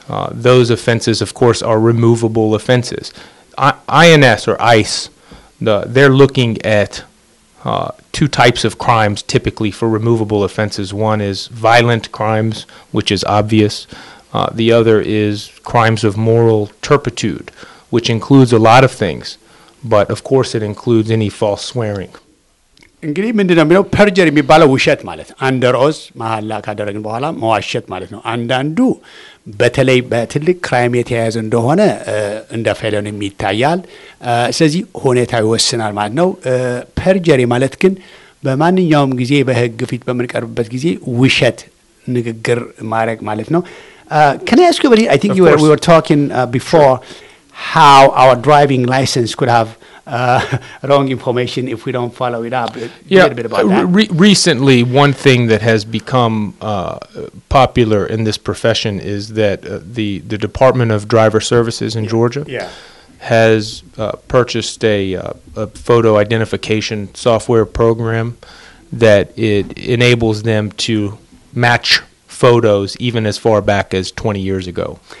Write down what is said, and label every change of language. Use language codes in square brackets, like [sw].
[en] Those offenses, of course, are removable offenses. INS or ICE, they're looking at two types of crimes typically for removable offenses. One is violent crimes, which is obvious. The other is crimes of moral turpitude, which includes a lot of things, but of course it includes any false swearing. [am] እንግዲህ ምንድነው ምነው ፐርጀር የሚባለው ውሸት ማለት አንደር ኦዝ መሐላ ካደረግን በኋላ መዋሸት ማለት ነው አንዳንዱ በተለይ በትልቅ ክራይም የተያዘ እንደሆነ እንደ ፌለንም ይታያል ስለዚህ ሆነታ ይወስናል ማለት ነው ፐርጀር ማለት ግን በማንኛውም ጊዜ በህግ ፊት በመንቀርበት ጊዜ ውሸት ንግግር ማረግ ማለት ነው [en] can I ask you I think we were talking before how our driving license could have wrong information if we don't follow it up. Yeah. A bit about that. Recently, one thing that has become popular in this profession is that the Department of Driver Services in Georgia has purchased a photo identification software program that it enables them to match photos even as far back as 20 years ago.